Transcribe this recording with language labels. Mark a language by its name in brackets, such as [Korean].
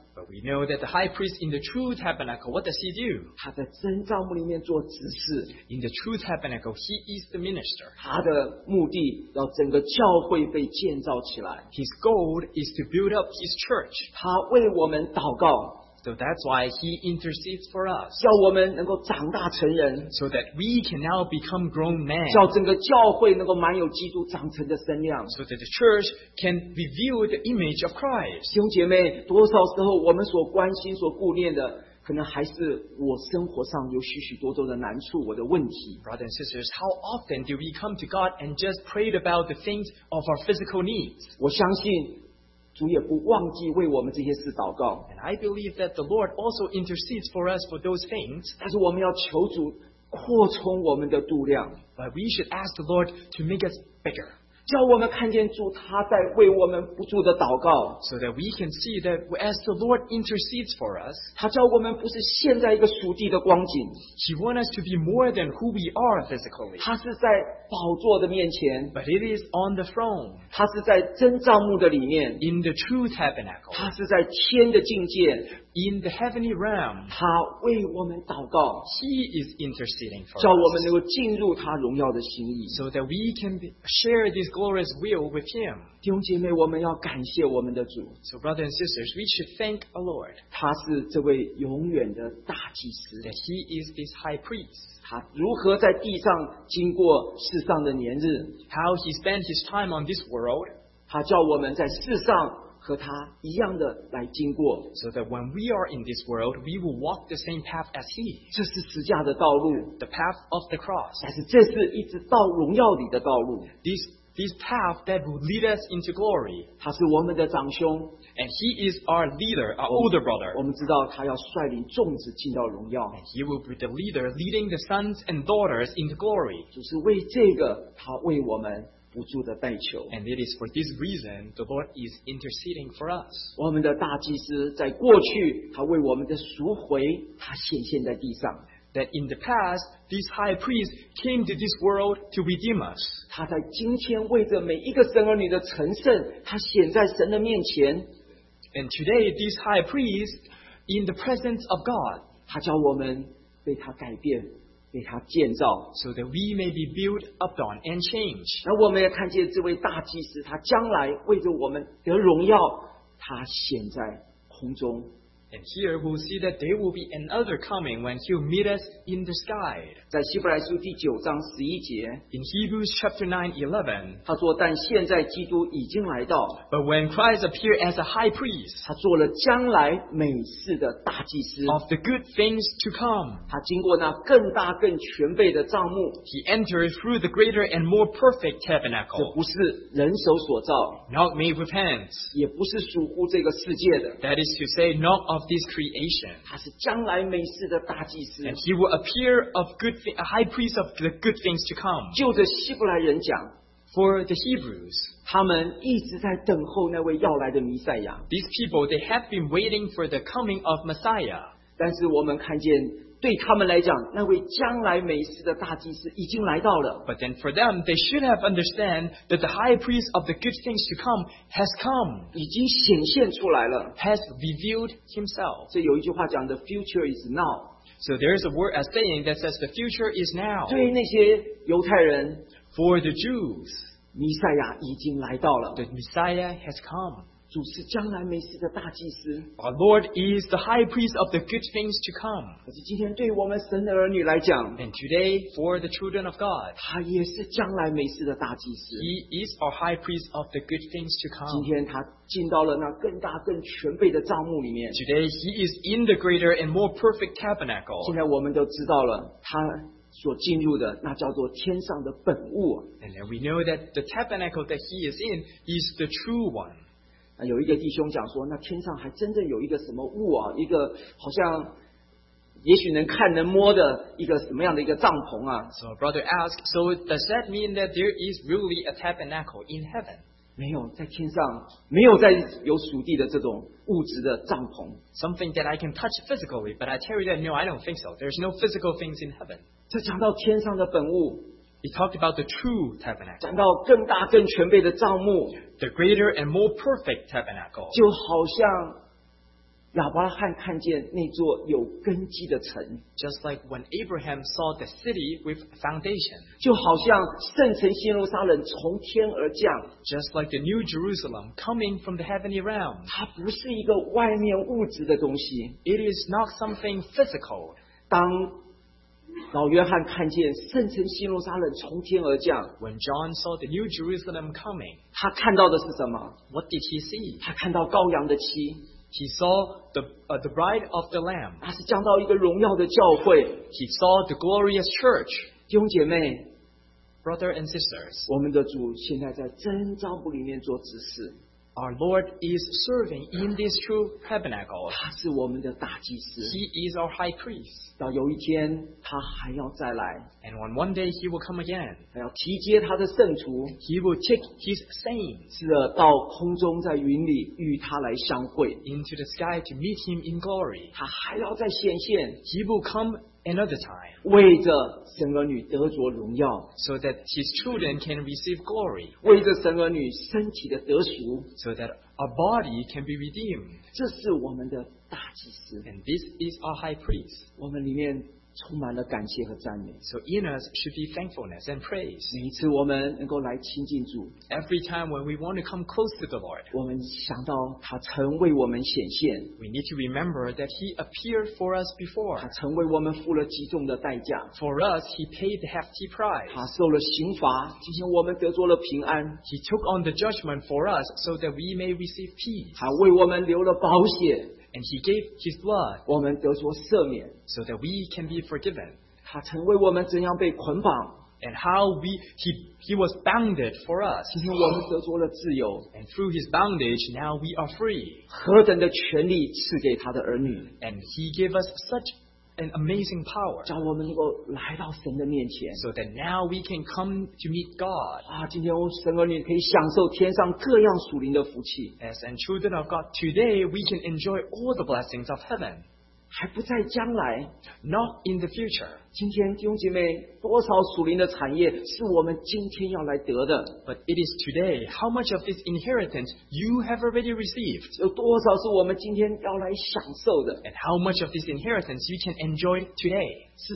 [English] But we know that the high priest in the true tabernacle, what does he do? [Chinese] 他在真帐幕里面做执事, [English] in the true tabernacle, he is the minister. [Chinese] 他的目的要整个教会被建造起来, [English] his goal is to build up his church. [Chinese] 他为我们祷告, [English] so that's why he intercedes for us. [Chinese] 叫我们能够长大成人, [English] so that we can now become grown men. [Chinese] 叫整个教会能够满有基督长成的身量, [English] so that the church can reveal the image of Christ. [Chinese] 兄姐妹, 多少时候我们所关心, 所顾念的, 可能还是我生活上有许许多多的难处, 我的问题。 [English] Brothers and sisters, how often do we come to God and just pray about the things of our physical needs? [Chinese] 我相信, [English] and I believe that the Lord also intercedes for us for those things. [Chinese] 但是我们要求主扩充我们的度量, [English] but we should ask the Lord to make us bigger. [Chinese] 叫我们看见主他在为我们不住的祷告, [English] so that we can see that as the Lord intercedes for us, [Chinese] 他叫我们不是现在一个属地的光景, [English] He wants us to be more than who we are physically. [Chinese] 他是在宝座的面前, [English] but it is on the throne. [Chinese] 他是在真帐幕的里面, [English] in the true tabernacle. [Chinese] 他是在天的境界, [English] in the heavenly realm. [Chinese] 他为我们祷告, [English] He is interceding for us. [Chinese] 叫我们能够进入他荣耀的心意, [English] so that we can share this glorious will with Him. [Chinese] 弟兄姐妹, 我们要感谢我们的主, [English] so brothers and sisters, we should thank our Lord. [Chinese] 他是这位永远的大祭司, [English] that He is this high priest. [Chinese] 他如何在地上经过世上的年日, [English] how He spent His time on this world. [Chinese] 他叫我们在世上 和他一样的来经过, [English] so that when we are in this world, we will walk the same path as He. [Chinese] 这是十架的道路, [English] the path of the cross. [Chinese] 但是这是一直到荣耀里的道路, [English] this path that will lead us into glory. [Chinese] 他是我们的长兄, [English] and He is our leader, our older brother. [Chinese] 我们知道他要率领众子进到荣耀, [English] and He will be the leader leading the sons and daughters into glory. [Chinese] 就是为这个他为我们, [English] and it is for this reason the Lord is interceding for us. [Chinese] 我们的大祭司在过去, 他为我们的赎回, 他显现在地上, [English] that in the past this high priest came to this world to redeem us. [Chinese] 他在今天为着每一个神儿女的成圣, 他显在神的面前, [English] and today this high priest in the presence of God, [Chinese] 他叫我们被他改变,被他建造, [English] so that we may be built up on and changed. [Chinese] 然后我们也看见这位大祭司, 他将来为着我们得荣耀, 他显在空中。 [English] And here we'll see that there will be another coming when he'll meet us in the sky. [Chinese] 在希伯来书第9章11节, [English] in Hebrews chapter 9:11, [Chinese] 他说但现在基督已经来到, [English] but when Christ appeared as a high priest, [Chinese] 他做了将来美事的大祭司, [English] of the good things to come, [Chinese] 他经过那更大更全备的帐幕, [English] he entered through the greater and more perfect tabernacle, [Chinese] 这不是人手所造, [English] not made with hands, [Chinese] 也不是属乎这个世界的, [English] that is to say, not of this creation. And he will appear of good a high priest of the good things to come. [Chinese] 就着希伯来人讲, [English] for the Hebrews, these people, they have been waiting for the coming of Messiah. [Chinese] 但是我们看见, 对他们来讲, 那位将来美事的大祭司已经来到了, [English] but then for them, they should have understood that the high priest of the good things to come has come, [Chinese] 已经显现出来了, [English] has revealed himself. [Chinese] 所以有一句话讲, [English] the future is now. So there is a word, a saying that says the future is now. [Chinese] 对那些犹太人, [English] for the Jews, [Chinese] 弥赛亚已经来到了, [English] the Messiah has come. [Chinese] 主是将来美事的大祭司, [English] our Lord is the high priest of the good things to come. [Chinese] 可是今天对我们神的儿女来讲, [English] and today, for the children of God, [Chinese] 他也是将来美事的大祭司, [English] he is our high priest of the good things to come. [Chinese] 今天他进到了那更大更全备的帐幕里面, [English] today, he is in the greater and more perfect tabernacle. [Chinese] 现在我们都知道了他, 所进入的那叫做天上的本物, [English] and then we know that the tabernacle that he is in is the true one. [Chinese] 有一个弟兄讲说, 那天上还真正有一个什么物啊, 一个好像也许能看能摸的一个什么样的一个帐篷啊。 [English] So brother asked, so does that mean that there is really a tabernacle in heaven? [Chinese] 没有, 在天上, 没有在有属地的这种物质的帐篷。 [English] Something that I can touch physically, but I tell you that no, I don't think so. There's no physical things in heaven. [Chinese] 这讲到天上的本物, [English] he talked about the true tabernacle. [Chinese] 讲到更大更全备的帐幕, [English] the greater and more perfect tabernacle. [Chinese] 就好像亚伯拉罕看见那座有根基的城, [English] just like when Abraham saw the city with foundation. [Chinese] 就好像圣城耶路撒冷从天而降, [English] just like the new Jerusalem coming from the heavenly realm. [Chinese] 它不是一个外面物质的东西, [English] it is not something physical. [Chinese] 当 老约翰看见圣城耶路撒冷从天而降, [English] when John saw the new Jerusalem coming, [Chinese] 他看到的是什么? [English] What did he see? [Chinese] 他看到羔羊的妻, [English] he saw the bride of the Lamb. [Chinese] 他是降到一个荣耀的教会, [English] he saw the glorious church. [Chinese] 弟兄姐妹, [English] brother and sisters, [Chinese] 我们的主现在在真帐幕里面做执事, [English] our Lord is serving in this true tabernacle. [Chinese] 他是我们的大祭司, [English] he is our high priest. [Chinese] 到有一天他还要再来, [English] and on one day he will come again. [Chinese] 他要提接他的圣徒, [English] he will take his saints, [Chinese] 是的, 到空中在云里与他来相会, [English] into the sky to meet him in glory. [Chinese] 他还要再显现, [English] he will come another time, [Chinese] 为着神儿女得着荣耀, [English] so that his children can receive glory, [Chinese] 为着神儿女身体的得赎, [English] so that our body can be redeemed. [Chinese] 这是我们的大祭司, [English] and this is our high priest. [Chinese] 我们里面充满了感谢和赞美, [English] so in us should be thankfulness and praise. [Chinese] 每一次我们能够来亲近主, [English] every time when we want to come close to the Lord, [Chinese] 我们想到他曾为我们显现, [English] we need to remember that he appeared for us before. [Chinese] 他曾为我们付了极重的代价, [English] for us he paid the hefty price. [Chinese] 他受了刑罚, 今天我们得着了平安, [English] he took on the judgment for us so that we may receive peace. [Chinese] 他为我们留了保险, [English] and he gave his blood, [Chinese] 我们得着赦免, [English] so that we can be forgiven. [Chinese] 他曾为我们怎样被捆绑, [English] and how he was bounded for us. [Chinese] 今天我们得着了自由, [English] and through his bondage, now we are free. [Chinese] 何等的权力赐给他的儿女, [English] and he gave us such an amazing power, [Chinese] 叫我们能够来到神的面前, [English] so that now we can come to meet God. [Chinese] 啊, 今天神儿女可以享受天上各样属灵的福气, [English] as and children of God, today we can enjoy all the blessings of heaven. [Chinese] 还不在将来, [English] not in the future. [Chinese] 今天弟兄姐妹多少属灵的产业是我们今天要来得的, [English] but it is today, how much of this inheritance you have already received, [Chinese] 有多少是我们今天要来享受的, [English] and how much of this inheritance you can enjoy today.